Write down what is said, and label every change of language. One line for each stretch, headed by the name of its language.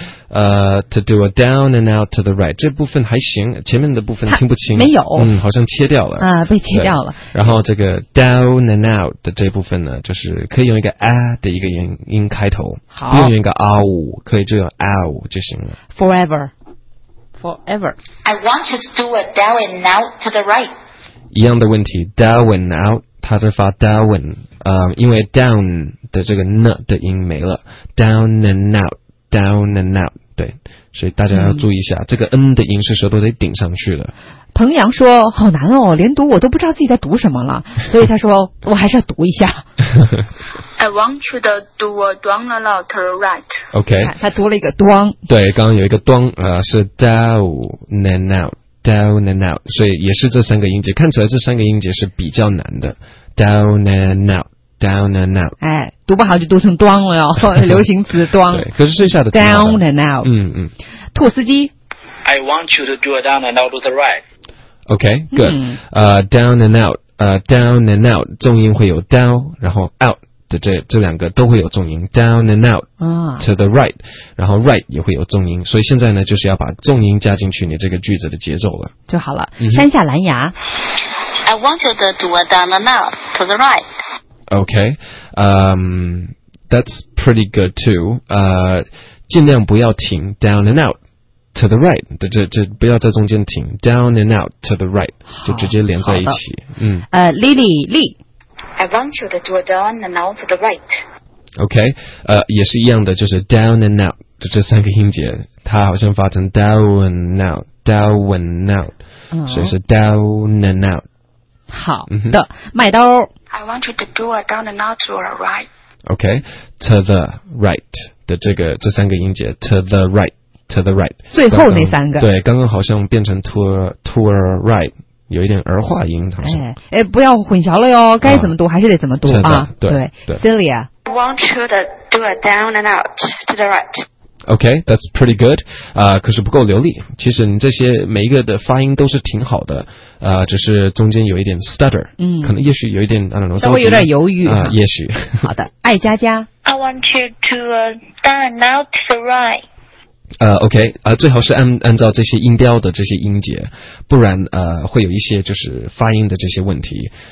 English: To do a down and out to the right.
Chinese: 这部分还行，前面的部分听不清。没有，嗯，好像切掉了。啊，被切掉了。然后这个 down and out 的这部分呢，就是可以用一个 a 的一个音开头，好，不用一个 ow， 可以就用 ow 就行了。
English: Forever, forever. I want you to do a down and out to the right.
Chinese: 一样的问题 ，down and out， 它是发 down。因为 down 的这个 n 的音没了
English: down and out down and out
Chinese: 对所以大家要注意一下、嗯、这个 n 的音是舌头得顶上去的彭阳说好难哦连读我都不知道自己在读什么了所以他说我还是要读一下
English: I want you to do a down and out to the right OK
Chinese: 他读了一个 down 对刚刚有一个 down、是 down and out down and out 所以也是这三个音节看起来这三个音节是比较难的
English: Down and out, down and out.
Chinese: 哎，读不好就读成 down 了哟，流行词 down 。 可是剩下的
English: down and out，嗯嗯，
Chinese: 兔司机。
English: I want you to do a down and out to the right. Okay, good.、嗯、down and out, down and out，
Chinese: 重音会有
English: down， 然后 out
Chinese: 的这两个都会有重音。
English: Down and out、啊、
Chinese: to the right， 然后 right 也会有重音。所以现在呢，就是要把重音加进去你这个句子的节奏了，就好了。嗯、山下蓝牙。
English: I want you to do a down and out to the right. Okay, that's pretty good too.
Chinese: 尽量不要停
English: down and out to the right.
Chinese: 这不要在中间停
English: down and out to the right.
Chinese: 就直接连在一起。嗯。
English: Lily, Lee. I want you to do a down and out to the right. Okay,
Chinese: 也是一样的，就是
English: down and out 的这三个音节，它好像发成 down and out, down and out.、嗯、
Chinese: 所以是
English: down and out.
Chinese: 好的，麦兜。
English: I want you to do a down and out to the right. Okay, to the right
Chinese: 的这三个音节
English: ，to the right, to the right.
Chinese: 最后那三个刚刚，对，刚刚好像变成 to a right， 有一点儿化音，好像。哎，不要混淆了哟，该怎么读、还是得怎么读
English: the, 啊？
Chinese: 对
English: ，Celia. I want you to do a down and out to the right. Okay, that's pretty good.
Chinese: 可是不够流利。其实你这些每一个的发音都是挺好的。只是中间有一点 stutter. 嗯。可能也许有一点
English: I don't know,
Chinese: 稍微有点犹豫。也许。好的。爱佳佳。
English: I want you to, down and out to the right.
Chinese: Okay, 最好是按照这些音标的这些音节。不然会有一些就是发音的这些问题。